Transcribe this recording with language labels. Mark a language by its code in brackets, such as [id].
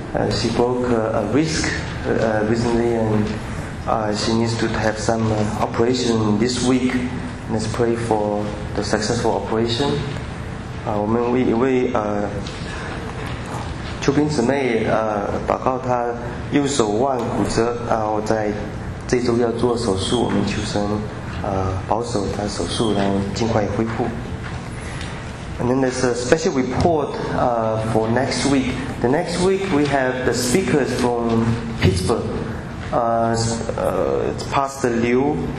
[en] She broke a wrist recently, and she needs to have some operation this week. Let's pray for the successful operation. [zh] 我们为一位秋萍姊妹祷告，她右手腕骨折，我在这周要做手术，我们求神保守她手术，然后尽快恢复。 [en] And then there's a special report for next week. The next week we have the speakers from Pittsburgh. It's Pastor Liu.